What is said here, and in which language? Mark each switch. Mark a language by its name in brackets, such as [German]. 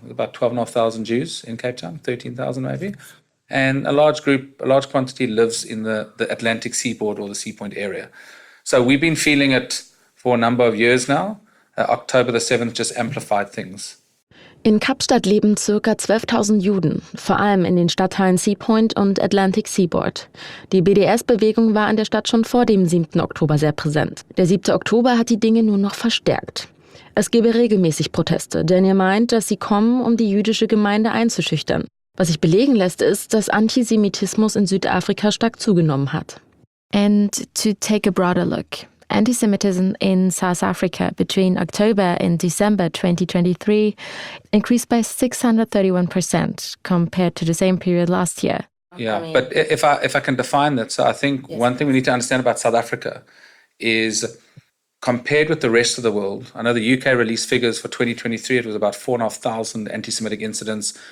[English] There's about 12,500 Jews in Cape Town, 13,000 maybe. And a large quantity lives in the Atlantic seaboard or the Sea Point area. So we've been feeling it for a number of years now. October the 7th just amplified things. [German] In Kapstadt leben ca. 12.000 Juden, vor allem in den Stadtteilen Seapoint und Atlantic Seaboard. Die BDS-Bewegung war in der Stadt schon vor dem 7. Oktober sehr präsent. Der 7. Oktober hat die Dinge nur noch verstärkt. Es gebe regelmäßig Proteste. Daniel meint, dass sie kommen, um die jüdische Gemeinde einzuschüchtern. Was sich belegen lässt, ist, dass Antisemitismus in Südafrika stark zugenommen hat. [English] And to take a broader look. Antisemitism in South Africa between October and December 2023 increased by 631% compared to the same period last year. Yeah, but if I can define that, so I think yes. One thing we need to understand about South Africa is compared with the rest of the world, I know the UK released figures for 2023, it was about 4,500 anti-Semitic incidents.